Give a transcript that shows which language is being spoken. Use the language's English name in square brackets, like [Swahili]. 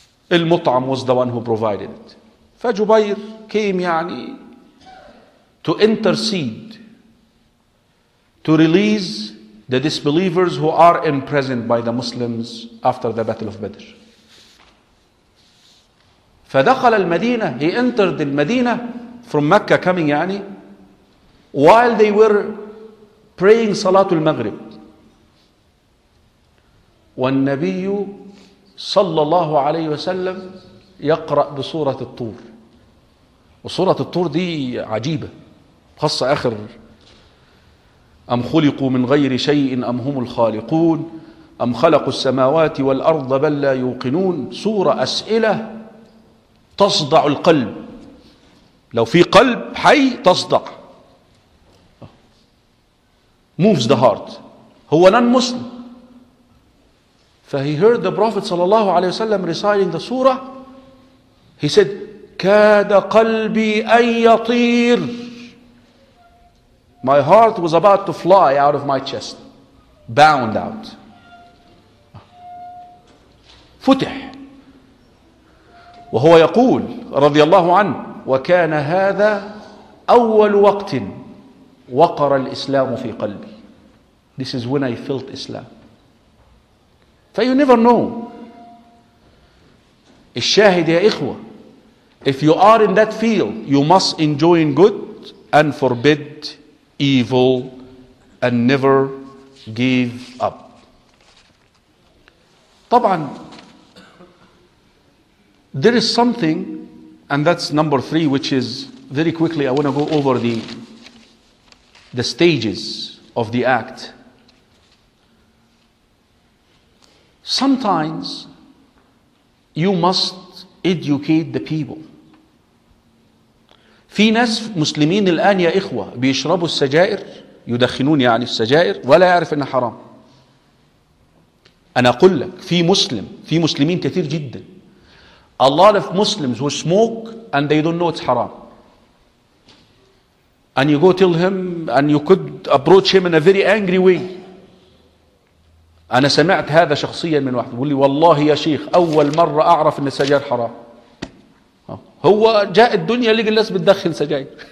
[English] المطعم was the one who provided it. فجبير came [Arabic] يعني [English] to intercede to release the disbelievers who are imprisoned by the Muslims after the Battle of Badr. [Arabic] فدخل المدينة, [English] he entered the المدينة from Mecca coming [Arabic] يعني [English] while they were praying [Arabic] صلاة المغرب. والنبي صلى الله عليه وسلم يقرأ بسورة الطور. وسورة الطور دي عجيبة, خاصة آخر أم خلقوا من غير شيء أم هم الخالقون أم خلقوا السماوات والأرض بل لا يوقنون. سورة أسئلة تصدع القلب, لو في قلب حي تصدع, [English] moves the heart. [Arabic] هو نان مسلم. [English] فهي heard the Prophet [Arabic] صلى الله عليه وسلم [English] reciting the surah. He said [Arabic] كاد قلبي أن يطير. [English] My heart was about to fly out of my chest, bound out. [Arabic] فتح. وهو يقول رضي الله عنه وكان هذا أول وقت وقر الإسلام في قلبي. [English] This is when I felt Islam. So you never know. [Arabic] الشاهد يا إخوة, [English] if you are in that field, you must enjoy good and forbid evil and never give up. [Arabic] طبعا [English] there is something, and that's number three, which is very quickly I want to go over the stages of the act. Sometimes you must educate the people. [Arabic] في ناس مسلمين الآن يا إخوة بيشربوا السجائر, يدخنون يعني السجائر, ولا يعرف إنها حرام. أنا أقول لك في مسلم, في مسلمين كثير جدا, [English] a lot of Muslims who smoke and they don't know it's haram. And you go tell him and you could approach him in a very angry way. [Arabic] أنا سمعت هذا شخصيا من واحد يقول لي والله يا شيخ أول مرة أعرف إن السجائر حرام. هو جاء الدنيا لقى الناس بتدخن سجائر.